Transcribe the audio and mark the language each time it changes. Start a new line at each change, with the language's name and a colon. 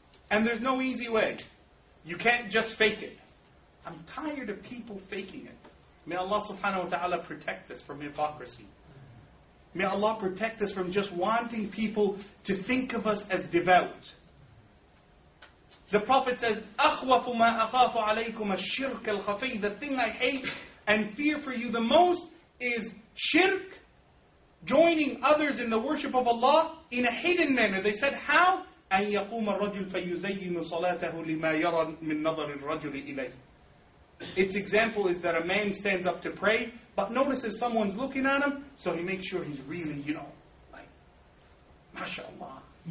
English: And there's no easy way. You can't just fake it. I'm tired of people faking it. May Allah subhanahu wa ta'ala protect us from hypocrisy. May Allah protect us from just wanting people to think of us as devout. The Prophet says,
Arabic: أَخْوَفُ مَا أَخَافُ عَلَيْكُمَ الشِّرْكَ الْخَفِيِّ.
English: The thing I hate and fear for you the most is shirk, joining others in the worship of Allah in a hidden manner. They said, how?
Arabic: أَنْ يَقُومَ الرَّجُلْ فَيُزَيِّنُ صَلَاتَهُ لِمَا يَرَى مِنْ نَظَرِ الرَّجُلِ إِلَيْهِ.
English: Its example is that a man stands up to pray, but notices someone's looking at him, so he makes sure he's really, you know, like, mashallah.